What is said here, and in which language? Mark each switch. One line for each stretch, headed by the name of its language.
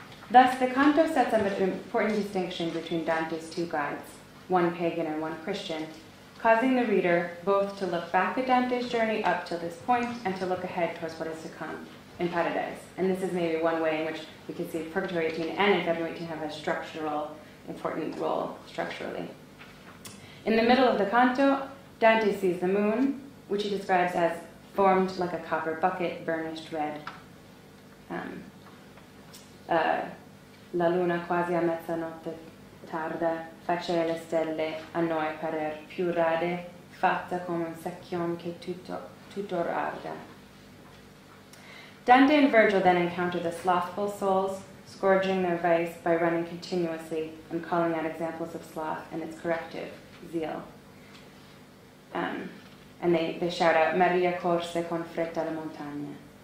English: Thus, the canto sets up an important distinction between Dante's two guides, one pagan and one Christian, causing the reader both to look back at Dante's journey up till this point and to look ahead towards what is to come in Paradise. And this is maybe one way in which we can see Purgatory 18 and Inferno 18 have a structural important role structurally. In the middle of the canto, Dante sees the moon, which he describes as formed like a copper bucket, burnished red.
Italian: La luna quasi a mezzanotte tarda, facea le stelle a noi parer più rade, fatta come un secchion che tutor arda.
English: Dante and Virgil then encounter the slothful souls, scourging their vice by running continuously and calling out examples of sloth and its corrective zeal. And they shout out,
Italian: Maria corse con fretta la montagna.